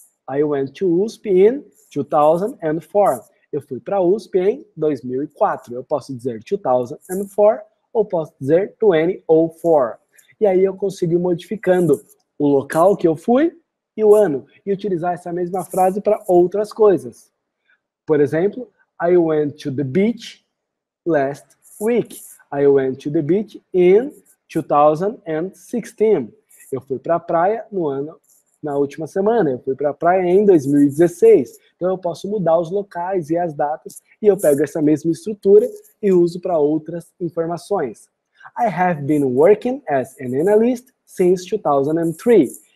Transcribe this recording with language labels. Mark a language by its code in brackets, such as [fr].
[en] I went to USP in 2004. [pt] Eu fui para a USP em 2004. Eu posso dizer 2004 ou posso dizer 2004. E aí eu consigo ir modificando o local que eu fui e o ano. E utilizar essa mesma frase para outras coisas. Por exemplo, [en] I went to the beach last week. I went to the beach in 2016. [pt] Eu fui para a praia no ano, na última semana. Eu fui para a praia em 2016. Então eu posso mudar os locais e as datas e eu pego essa mesma estrutura e uso para outras informações. [en] I have been working as an analyst since 2003.